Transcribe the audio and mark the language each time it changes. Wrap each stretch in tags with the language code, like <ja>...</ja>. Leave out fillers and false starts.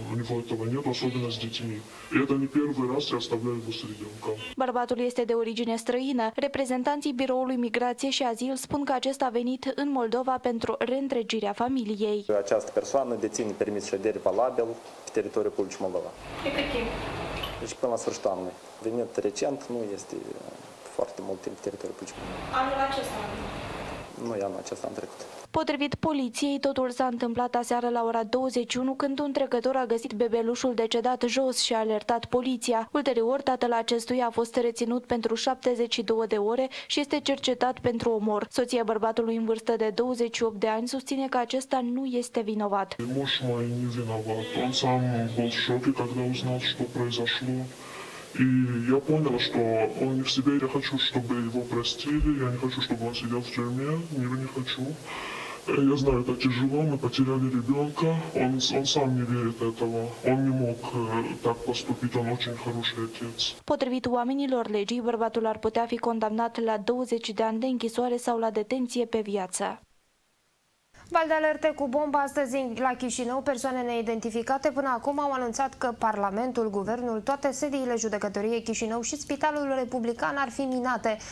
<ru>У него этого нет, особенно с детьми. И это не первый раз я оставляю его с ребенком.</ru> <ro>Bărbatul este de origine străină. Reprezentanții Biroului Migrație și Azil spun că acesta a venit în Moldova pentru reîntregirea familiei. Această persoană deține permis ședere valabil pe teritoriul Republicii Moldova. Deci până la sfârșitul anului. Venit recent, nu este foarte mult timp pe teritoriul Republicii Moldova. Anul acesta. Nu, iar nu, acesta am trecut. Potrivit poliției, totul s-a întâmplat aseară la ora 21, când un trecător a găsit bebelușul decedat jos și a alertat poliția. Ulterior, tatăl acestuia a fost reținut pentru 72 de ore și este cercetat pentru omor. Soția bărbatului în vârstă de 28 de ani susține că acesta nu este vinovat. Moșul mai nu vinovat.</ro> <ru>Он сам был в шоке, когда узнал, что произошло. И я понял, что он не в себе, я хочу, чтобы его простили, я не хочу, чтобы он сидел в тюрьме, его не хочу. Я знаю, это тяжело, мы потеряли ребенка, он сам не верит этого, он не мог так поступить, он очень хороший отец.</ru> <ro>Potrivit oamenilor legii, bărbatul ar putea fi condamnat la 20 de ani de închisoare sau la detenție pe viață. Val de alerte cu bomba astăzi la Chișinău. Persoane neidentificate până acum au anunțat că Parlamentul, Guvernul, toate sediile judecătoriei Chișinău și Spitalul Republican ar fi minate.</ro>